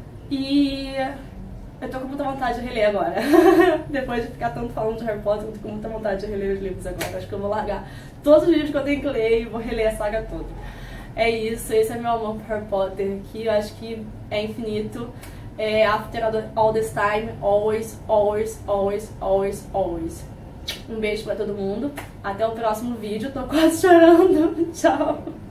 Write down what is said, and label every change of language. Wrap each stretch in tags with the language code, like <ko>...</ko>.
<pt>E eu tô com muita vontade de reler agora. Depois de ficar tanto falando de Harry Potter, eu tô com muita vontade de reler os livros agora. Acho que eu vou largar todos os livros que eu tenho que ler e vou reler a saga toda. É isso, esse é meu amor por Harry Potter, que eu acho que é infinito.</pt> <en>É after all this time, always, always, always, always, always.</en> <pt>Um beijo pra todo mundo. Até o próximo vídeo. Tô quase chorando. Tchau.</pt>